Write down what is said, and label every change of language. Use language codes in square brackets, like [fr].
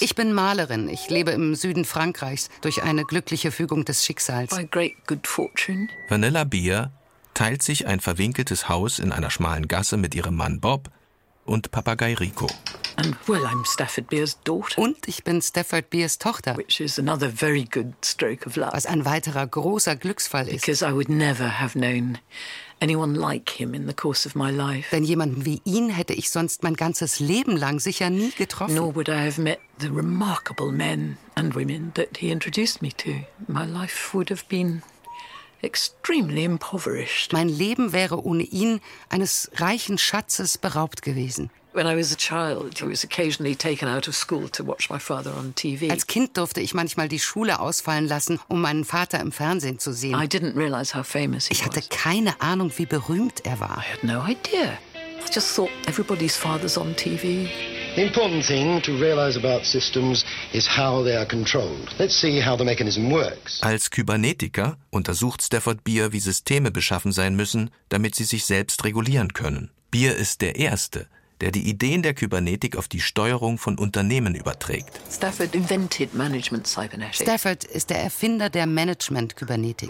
[de] Ich bin Malerin. Ich lebe im Süden Frankreichs durch eine glückliche Fügung des Schicksals. [en] By great good fortune. [de] Vanilla Beer teilt sich ein verwinkeltes Haus in einer schmalen Gasse mit ihrem Mann Bob und Papagei Rico. [en] And well, I'm Stafford Beer's daughter. [de] Und ich bin Stafford Beer's Tochter. [en] Which is another very good stroke of luck. [de] Was ein weiterer großer Glücksfall ist. [en] Because I would never have known anyone like him in the course of my life. [de] Denn jemanden wie ihn hätte ich sonst mein ganzes Leben lang sicher nie getroffen. [en] Nor would I have met the remarkable men and women that he introduced me to. My life would have been extremely impoverished. [de] Mein Leben wäre ohne ihn eines reichen Schatzes beraubt gewesen. [en] When I was a child, I was occasionally taken out of school to watch my father on TV. [de] Als Kind durfte ich manchmal die Schule ausfallen lassen, um meinen Vater im Fernsehen zu sehen. [en] I didn't realize how famous he was. [de] Ich hatte keine Ahnung, wie berühmt er war. [en] I had no idea. I just thought everybody's father's on TV. The important thing to realize about systems is how they are controlled. Let's see how the mechanism works. [de] Als Kybernetiker untersucht Stafford Beer, wie Systeme beschaffen sein müssen, damit sie sich selbst regulieren können. Beer ist der Erste, der die Ideen der Kybernetik auf die Steuerung von Unternehmen überträgt. [en] Stafford invented management cybernetics. [de] Stafford ist der Erfinder der Management-Kybernetik.